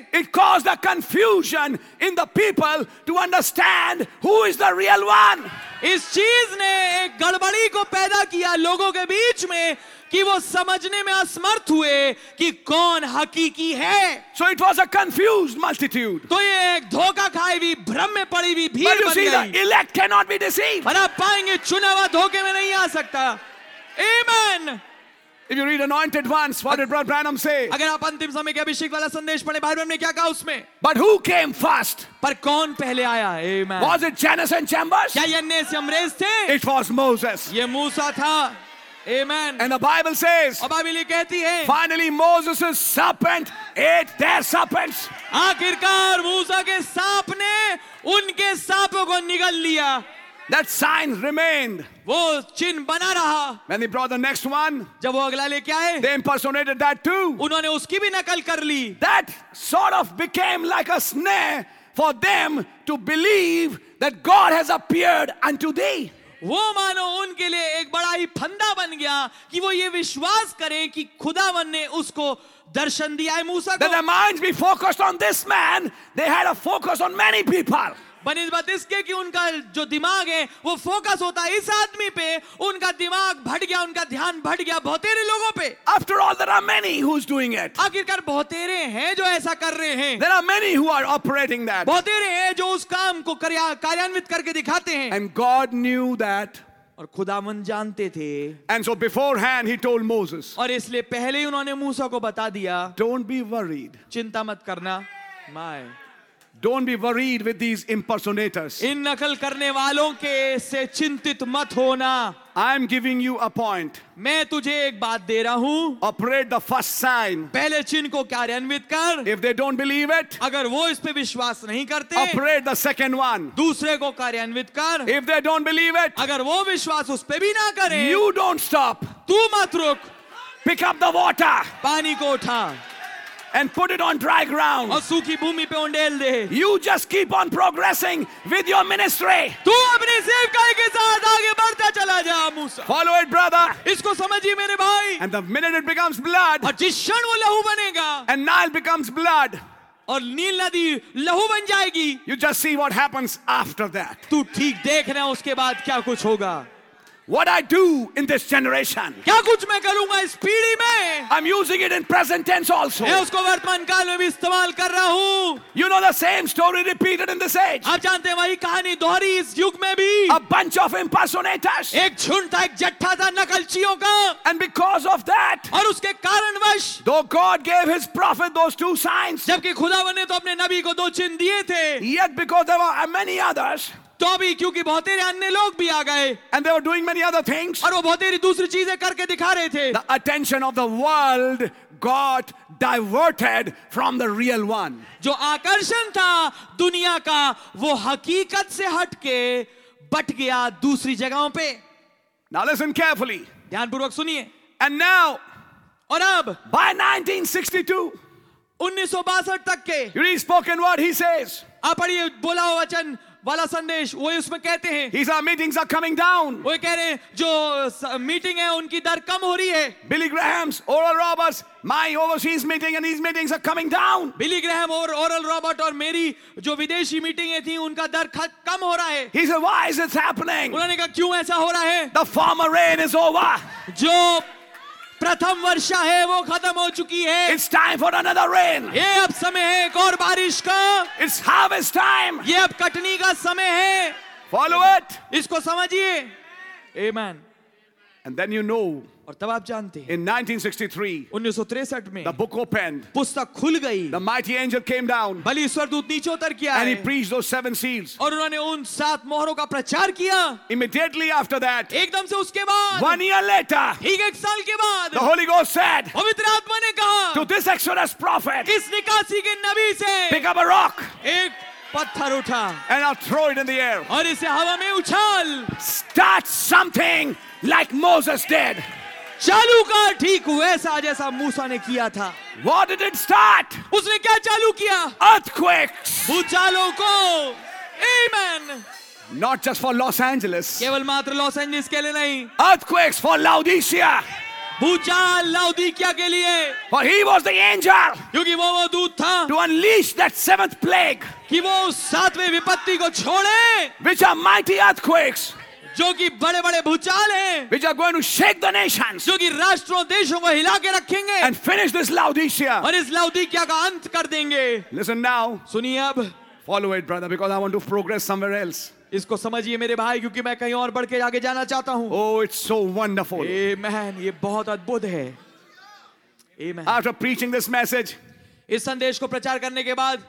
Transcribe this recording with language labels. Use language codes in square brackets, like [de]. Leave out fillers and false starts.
[en] It caused a confusion in the people to understand who is the real one. [hi] इस चीज ने एक गड़बड़ी को पैदा किया लोगों के बीच में कि वो समझने में असमर्थ हुए कि कौन हकीकी है. [en] So it was a confused multitude. [hi] तो ये एक धोखा खाई हुई भ्रम में पड़ी हुई भीड़ बन गई. [en] But you see, the elect cannot be deceived. [hi] और आप पाएंगे चुनावा धोखे में नहीं आ सकता. [en] Amen. If you read Anointed Ones, what did Brother Branham say? [hi] अगर आप अंतिम समय के अभिषेक वाला संदेश पढ़े, भाई ब्रह्म ने क्या कहा उसमें? [en] But who came first? [hi] पर कौन पहले आया? Amen. [en] Was it Janus and Jambres? [hi] क्या यन्नेस यम्रेस थे? [en] It was Moses. [hi] ये मूसा था. Amen. [en] And the Bible says, [hi] और बाइबल ये कहती है, [en] finally Moses' serpent ate their serpents. [hi] आखिरकार मूसा के सांप ने उनके सांपों को निगल लिया. [en] That sign remained. [hi] वो चिन्ह बना रहा. [en] When he brought the next one, [hi] जब वो अगला लेके आए, [en] they impersonated that too. [hi] उन्होंने उसकी भी नकल कर ली. [en] That sort of became like a snare for them to believe that God has appeared unto thee. [hi] वो मानो उनके लिए एक बड़ा ही फंदा बन गया कि वो ये विश्वास करें कि खुदावन ने उसको दर्शन दिया है मूसा को. [en] That their minds be focused on this man, they had a focus on many people. [hi] बनिस्बत इसके कि उनका जो दिमाग है वो फोकस होता है इस आदमी पे, उनका दिमाग भट गया, उनका ध्यान भट गया बहुतेरे लोगों पे. [en] After all, there are many who's doing it. [hi] आखिरकार बहुतेरे हैं जो ऐसा कर रहे हैं. [en] There are many who are operating that. [hi] बहुतेरे हैं जो उस काम को कार्यान्वित करके दिखाते हैं. [en] And God knew that. [hi] और खुदावन जानते थे. [en] And so beforehand he told Moses. [hi] और इसलिए पहले ही उन्होंने मूसा को बता दिया. [en] Don't be worried. [hi] चिंता मत करना. My. [en] Don't be worried with these impersonators. [hi] इन नकल करने वालों के से चिंतित मत होना. [en] I'm giving you a point. [hi] मैं तुझे एक बात दे रहा हूँ. [en] Operate the first sign. [hi] पहले चिन्ह को कार्यान्वित कर. [en] If they don't believe it. [hi] अगर वो इस पे विश्वास नहीं करते. [en] Operate the second one. [hi] दूसरे को कार्यान्वित कर. [en] If they don't believe it. [hi] अगर वो विश्वास उस पे भी ना करे. [en] You don't stop. [hi] तू मत रुक. [en] Pick up the water. [hi] पानी को उठा. [en] and put it on dry ground. [hi] सूखी भूमि पे उंडेल दे. [en] You just keep on progressing with your ministry. [hi] तू अपनी सेवकाई के साथ आगे बढ़ता चला जा मूसा. [en] Follow it, brother. [hi] इसको समझिए मेरे भाई. [en] And the minute it becomes blood. [hi] और जिस क्षण वो लहू बनेगा. [en] And Nile becomes blood. [hi] और नील नदी लहू बन जाएगी. [en] You just see what happens after that. [hi] तू ठीक देख रहे उसके बाद क्या कुछ होगा. [en] What I do in this generation, [hi] क्या कुछ मैं करूंगा इस पीढ़ी में. [en] I'm using it in present tense also. [hi] मैं उसको वर्तमान काल में भी इस्तेमाल कर रहा हूँ. [en] You know the same story repeated in this age. [hi] आप जानते हैं वही कहानी दोहरी इस युग में भी. [en] A bunch of impersonators. [hi] एक झुंड था, एक जट्ठा था नकलचियों का. [en] And because of that, [hi] और उसके कारणवश, [en] though God gave His prophet those two signs, [hi] जबकि खुदा ने तो अपने नबी को दो चिन्ह दिए थे. [en] Yet because there were many others. [hi] तो भी क्योंकि बहुत सारे अन्य लोग भी आ गए. [en] And they were doing many other things. [hi] और वो बहुत सारी दूसरी चीजें करके दिखा रहे थे. [en] The attention of the world got diverted from the real one. [hi] जो आकर्षण था दुनिया का वो हकीकत से हटके बट गया दूसरी जगहों पे. [en] Now listen carefully. [hi] ध्यान पूर्वक सुनिए. [en] And now. [hi] और अब. [en] By 1962. [hi] 1962 तक के. [en] You read spoken word, he says. [hi] आप पढ़िए बोला हुआ वचन. वाला संदेश वो उसमें कहते हैं. [en] His meetings are coming down. [hi] वो कह रहे हैं जो मीटिंग है उनकी दर कम हो रही है. [en] Billy Graham's Oral Roberts, my overseas meeting and his meetings are coming down. [hi] Billy Graham और Oral Robert और मेरी जो विदेशी मीटिंग थी उनका दर कम हो रहा है. [en] He said, why is this happening? [hi] उन्होंने कहा क्यों ऐसा हो रहा है. [en] The former rain is over. [hi] जो प्रथम वर्षा है वो खत्म हो चुकी है. [en] It's time for another rain. [hi] ये अब समय है एक और बारिश का. [en] It's harvest time. [hi] ये अब कटनी का समय है. [en] Follow it. [hi] इसको समझिए. Amen. [en] And then you know. [hi] और तब आप जानते हैं. [en] In 1963. [hi] में. [en] The book opened. [hi] पुस्तक खुल गई. [en] The mighty angel came down. [hi] बलि ईश्वर दूत नीचे उतर किया. [en] And he preached those seven seals. [hi] और उन्होंने उन सात मोहरों का प्रचार किया. [en] Immediately after that. [hi] एकदम से उसके बाद. [en] One year later. [hi] ठीक एक साल के बाद. [en] The Holy Ghost said. [hi] पवित्र आत्मा ने कहा. [en] To this Exodus prophet. [hi] इस निकासी के नबी से. [en] Pick up a rock. [hi] एक पत्थर उठा. [en] And I'll throw it in the air. [hi] और इसे हवा में उछाल. [en] Start something like Moses did. [hi] चालू का ठीक वैसा जैसा मूसा ने किया था. [en] What did it start? [hi] उसने क्या चालू किया? [en] Earthquakes. [hi] भूचालों को. Amen. [en] Not just for Los Angeles. [hi] केवल मात्र लॉस एंजलिस के लिए नहीं. [en] Earthquakes for Laodicea. [hi] भूचाल लौदीकिया के लिए. [en] For he was the angel. [hi] क्योंकि वो दूत था. [en] To unleash that seventh plague. [hi] कि वो सातवें विपत्ति को छोड़े. [en] Which are mighty earthquakes. [hi] जो कि बड़े बड़े भूचाल हैं, [en] which are going to shake the nations, [hi] जो कि राष्ट्रों देशों को हिला के रखेंगे, [en] and finish this Laodicea, [hi] और इस लौदीकिया का अंत कर देंगे. [en] Listen now, [hi] सुनिए अब. [en] Follow it, brother, because I want to progress somewhere else. [hi] इसको समझिए मेरे भाई, क्योंकि मैं कहीं और बढ़ के आगे जाना चाहता हूँ. [en] Oh, it's so wonderful. [hi] Amen. ये बहुत अद्भुत है. Amen. [en] After preaching this message. [hi] इस संदेश को प्रचार करने के बाद,